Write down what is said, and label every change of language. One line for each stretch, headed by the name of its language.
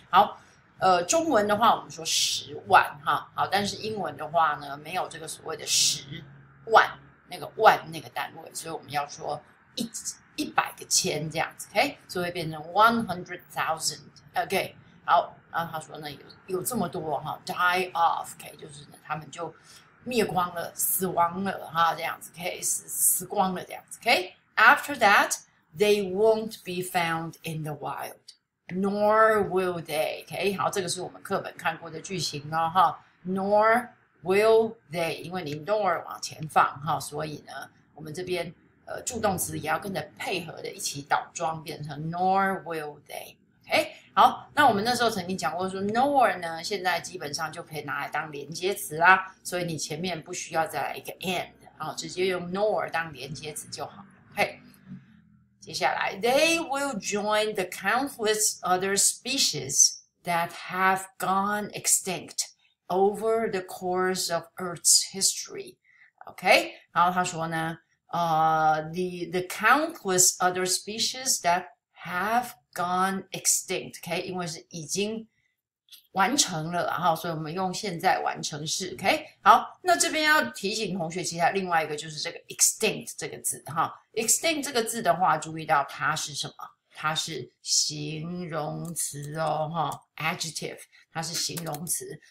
Chinese: 好，中文的话我们说十万哈，好，但是英文的话呢没有这个所谓的十万那个万那个单位，所以我们要说一百个千这样子 ,OK? 所以变成 100,000,OK?、Okay? 好，然后他说呢 有这么多哈 ,
English: die off,
Chinese: OK?、Okay? 就是呢他们就灭光了死亡了哈这样子 ,OK? 死光了这样子 ,OK?
English: After that, they won't be found in the wild, nor will they.
Chinese: Okay, 好，这个是我们课本看过的句型哦，哈。
English: Nor will they,
Chinese: 因为你 nor 往前放，哈，所以呢，我们这边助动词也要跟着配合的一起倒装，变成
English: nor will they.
Chinese: Okay, 好，那我们那时候曾经讲过说 nor 呢，现在基本上就可以拿来当连接词啦，所以你前面不需要再来一个 and, 好，直接用 nor 当连接词就好。
English: Okay,
Chinese: 接下来
English: they will join the countless other species that have gone extinct over the course of Earth's history. Okay,
Chinese: 然后他说呢
English: the countless other species that have gone extinct.
Chinese: Okay, 因为是已经完成了，所以我们用现在完成式。 Okay, 好，那这边要提醒同学，其实另外一个就是这个 extinct 这个字哈。 Extinct 这个字的话，注意到它是什么？它是形容词哦，哈 ，adjective， 它是形容词。